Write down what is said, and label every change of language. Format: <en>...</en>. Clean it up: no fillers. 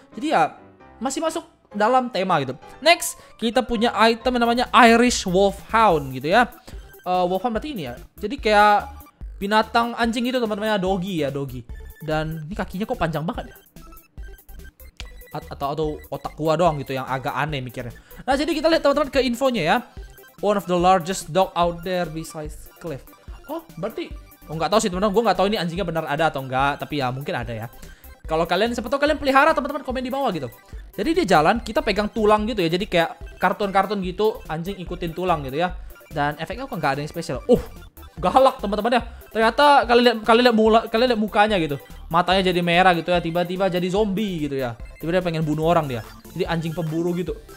<id>Jadi ya masih masuk dalam tema gitu. Next kita punya item yang namanya Irish Wolfhound gitu ya. Wolfhound berarti ini ya. Jadi kayak binatang anjing gitu teman-teman ya. Doggy ya, doggy. Dan ini kakinya kok panjang banget ya? Atau otak gua doang gitu yang agak aneh mikirnya. Nah jadi kita lihat teman-teman ke infonya ya.</id> <en>One of the largest dog out there besides Cliff.</en> <id>Oh berarti? Oh nggak tahu sih teman-teman. Gua nggak tahu ini anjingnya benar ada atau enggak. Tapi ya mungkin ada ya. Kalau kalian siapa tahu kalian pelihara teman-teman komen di bawah gitu. Jadi dia jalan kita pegang tulang gitu ya. Jadi kayak kartun-kartun gitu anjing ikutin tulang gitu ya. Dan efeknya kok nggak ada yang spesial. galak teman-temannya. Ternyata kalian lihat mukanya gitu, matanya jadi merah gitu ya, tiba-tiba jadi zombie gitu ya, tiba-tiba pengen bunuh orang dia, jadi anjing pemburu gitu.</id>